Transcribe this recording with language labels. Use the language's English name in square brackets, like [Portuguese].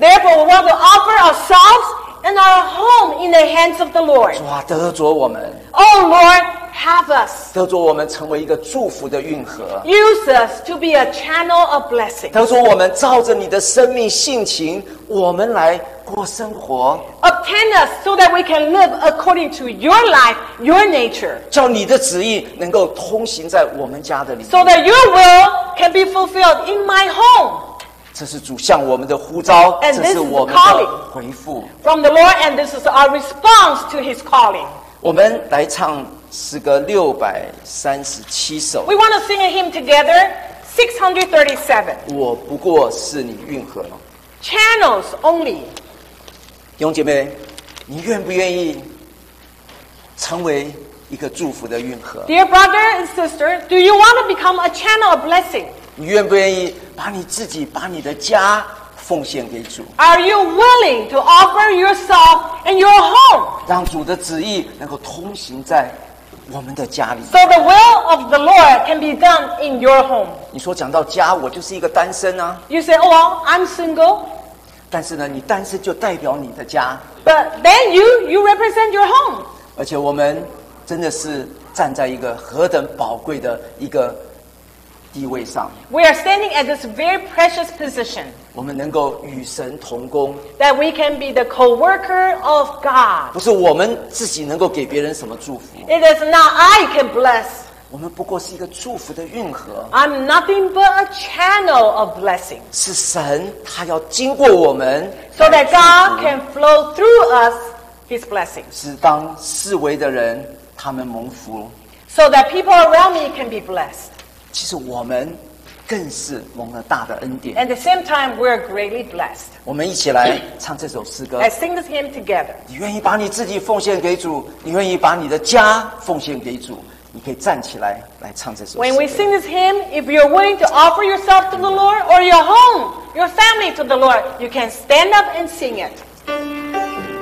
[English] Therefore we want to offer ourselves and our home in the hands of the Lord [Chinese] 主啊得着我们 [English] Oh LordHave us. [Chinese] 得着我们成为一个祝福的运河。 [English] Use us to be a channel of blessing. [Chinese] 得着我们照着你的生命性情，我们来过生活。 [English] Obtain us so that we can live according to your life, your nature. [Chinese] 叫你的旨意能够通行在我们家的里面。 [English] So that your will can be fulfilled in my home. [Chinese] 这是主向我们的呼召，这是我们的回复。 [English] From the Lord, and this is our response to His calling. [Chinese] 我们来唱。诗歌六百三十七首。 [English] We want to sing a hymn together, 637. [Chinese] 我不过是你运河。 [English] Channels only. [Chinese] 弟兄姐妹，你愿不愿意成为一个祝福的运河 [English] ？Dear brother and sister, do you want to become a channel of blessing? [Chinese] 你愿不愿意把你自己、把你的家奉献给主 [English] ？Are you willing to offer yourself and your home? [Chinese] 让主的旨意能够通行在。我们的家里 [English] So the will of the Lord can be done in your home [Chinese] 你说讲到家我就是一个单身啊 [English] You say oh well, I'm single [Chinese] 但是呢你单身就代表你的家 [English] But then you represent your home [Chinese] 而且我们真的是站在一个何等宝贵的一个地位上 [English] We are standing at this very precious position [Chinese] 我们能够与神同工 [English] That we can be the co-worker of God [Chinese] 不是我们自己能够给别人什么祝福 [English] It is not I can bless [Chinese] 我们不过是一个祝福的运河 [English] I'm nothing but a channel of blessing [Chinese] 是神他要经过我们 [English] So that God can flow through us his blessing [Chinese] 是当四围的人他们蒙福 [English] So that people around me can be blessed [Chinese] 其实我们更是蒙了大的恩典。 [English] And at the same time, we're greatly blessed. [Chinese] 我们一起来唱这首诗歌。 [English] Let's sing this hymn together. [Chinese] 你愿意把你自己奉献给主，你愿意把你的家奉献给主，你可以站起来来唱这首诗歌。 [English] When we sing this hymn, if you're willing to offer yourself to the Lord or your home, your family to the Lord, you can stand up and sing it.